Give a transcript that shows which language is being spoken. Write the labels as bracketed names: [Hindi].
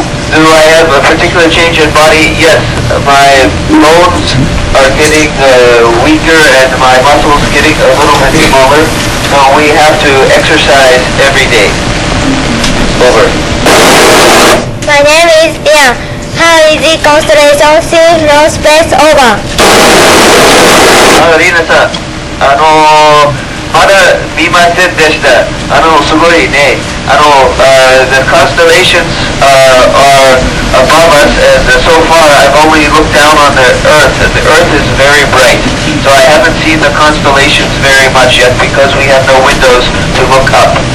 [English] Do I have a particular change in body? Yes, my bones are getting weaker and my muscles getting a little bit smaller. So we have to exercise every day. Over. My name is Ian. How is the constellation seen from space? Over. [Japanese] Rina-san, まだ見ませんでした。すごいね。 [English] The constellations are above us, and so far I've only looked down on the Earth, and the Earth is very bright. So I haven't seen the constellations very much yet because we have no windows to look up.